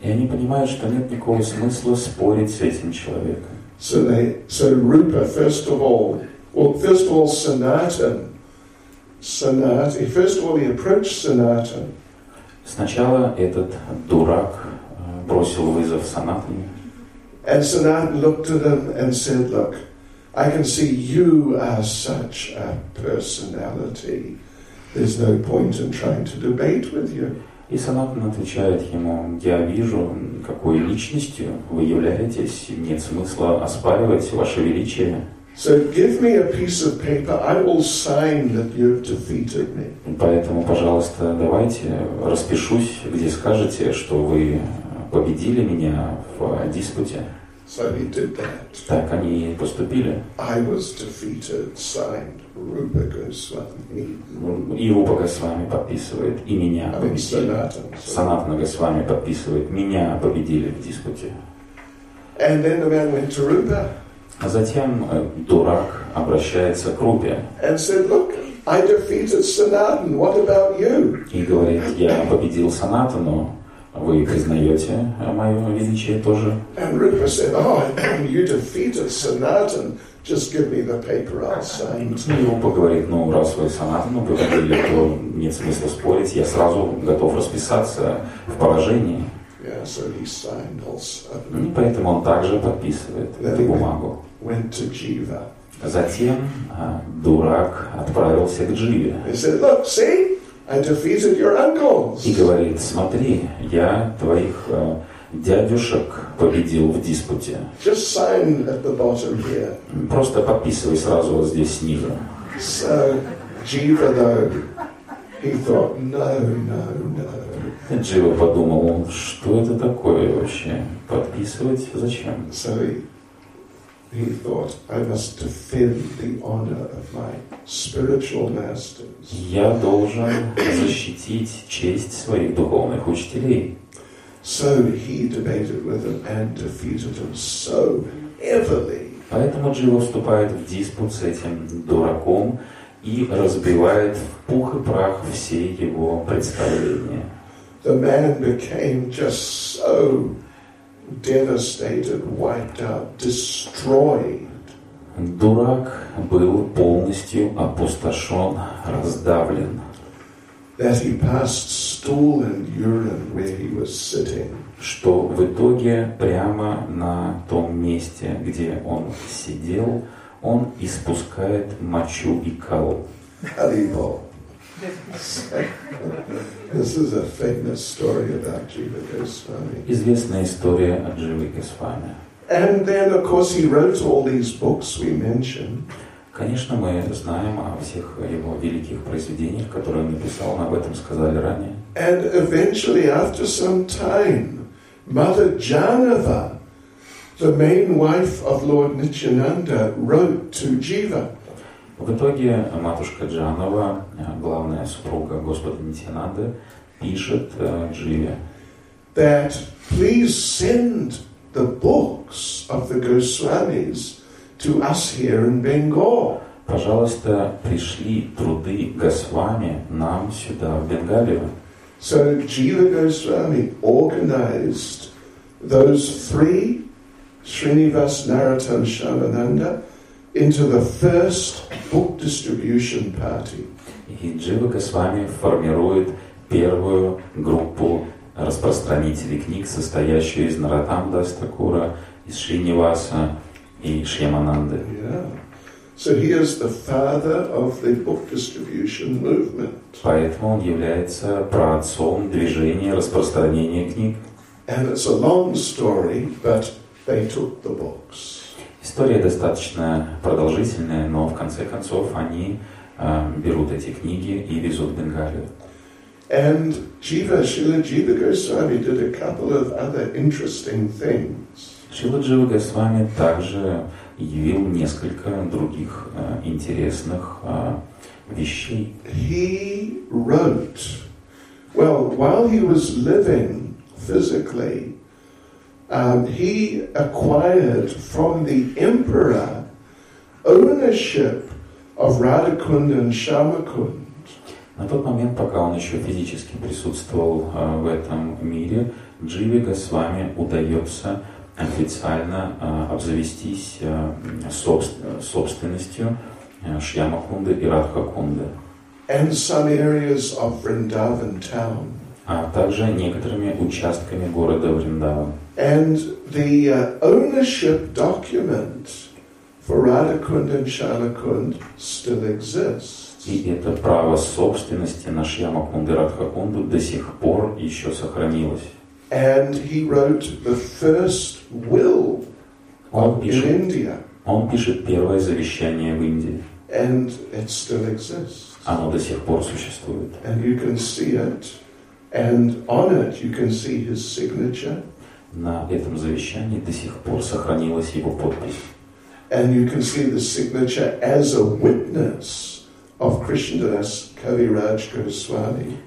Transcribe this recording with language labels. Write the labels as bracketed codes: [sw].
[ru] И они понимают, что нет никакого смысла спорить с этим человеком. [en] So Rupa, first of all, well, first of all, Sanatan. First of all, he approached Sanatan. [ru] Сначала этот дурак бросил вызов Санатане. [en] And Sanatan looked at him and said, "Look, I can see you are such a personality. There's no point in trying to debate with you." [ru] И Санатан отвечает ему: "Я вижу, какой личностью вы являетесь. Нет смысла оспаривать ваше величие." [en] So give me a piece of paper. I will sign that you have defeated me. [ru] Поэтому, пожалуйста, давайте распишусь, где скажете, что вы победили меня в диспуте. [en] So he did that. [ru] Так они и поступили. [en] I was defeated. Signed, Rupa Goswami. [ru] И Рупа Госвами подписывает, и меня победили. Санатана Госвами подписывает, меня победили в диспуте. [en] And then the man went to Rupa. [ru] А затем дурак обращается к Рупе. [en] And said, "Look, I defeated Sanatan. What about you? [ru] И говорит, я победил Санатану, но вы признаете мое величие тоже? [en] And Rupa said, oh, you defeated Sanatan. Just give me the paper, I'll sign. [ru] И Рупа говорит, ну раз вы Санатану победили, то нет смысла спорить. Я сразу готов расписаться в поражении. [en] Yeah, so he signed also. [ru] И поэтому он также подписывает эту бумагу. [en] Went to Jiva. [ru] Затем дурак отправился к Дживе. [en] He said, look, see, I defeated your uncles. [ru] И говорит, смотри, я твоих дядюшек победил в диспуте. [en] Just sign at the bottom here. [ru] Просто подписывай сразу вот здесь снизу. [en] So, Jiva, though, he thought, no. [ru] Джива подумал, что это такое вообще? Подписывать зачем? [en] So he thought, I must defend the honor of my spiritual masters. [ru] Я должен защитить честь своих духовных учителей. [en] So he debated with him and defeated him so heavily. [ru] Поэтому Джива вступает в диспут с этим дураком и разбивает в пух и прах все его представления. [en] The man became just so devastated, wiped out, destroyed. [ru] Дурак был полностью опустошен, раздавлен. [en] That he passed stool and urine where he was sitting. [ru] Что в итоге прямо на том месте, где он сидел, он испускает мочу и кал. [en] This is a famous story about Jiva Goswami. [ru] Известная история о Дживе Госвами. [en] And then, of course, he wrote all these books we mentioned. [ru] Конечно, мы знаем о всех его великих произведениях, которые он написал, мы об этом сказали ранее. [en] And eventually, after some time, Mother Janava, the main wife of Lord Nityananda, wrote to Jiva. [ru] В итоге матушка Джанава, главная супруга Господа Нитьянанды, пишет Дживе. [en] That please send the books of the Goswamis to us here in Bengal. [ru] Пожалуйста, пришли труды Госвами нам сюда, в Бенгалию. [en] So Jiva Goswami organized those three, Srinivas, Naratan, Shamananda, into the first book distribution party. [ru] И Джива Госвами формирует первую группу распространителей книг, состоящую из Наратанда Стакура, из Шринаваса и Шьямананды. [en] So he is the father of the book distribution movement. [ru] Поэтому он является праотцом движения распространения книг. [en] And it's a long story, but they took the books. [ru] История достаточно продолжительная, но в конце концов они берут эти книги и везут в Бенгалию. [en] And Jiva, Srila Jiva Goswami did a couple of other interesting things. [ru] Srila Jiva Goswami также явил несколько других интересных вещей. [en] He wrote, well, while he was living physically, he acquired from the emperor ownership of Radhakund and Shyamakund. [ru] На тот момент, пока он еще физически присутствовал в этом мире, Дживе Госвами удается официально обзавестись собственностью Шьямакунды и Радхакунды. [en] And some areas of Vrindavan town. [ru] А также некоторыми участками города Вриндаван. [en] And the ownership document for Radhakund and Shyamakund still exists. [ru] И это право собственности на Шьямакунду и Радхакунду до сих пор еще сохранилось. [en] And he wrote the first will in India. [ru] Он пишет первое завещание в Индии. [en] And it still exists. [ru] Оно до сих пор существует. [en] And you can see it. And on it you can see his signature. [ru] На этом завещании до сих пор сохранилась его подпись. [en] And you can see the signature as a witness of Krishnadas Kaviraj Goswami.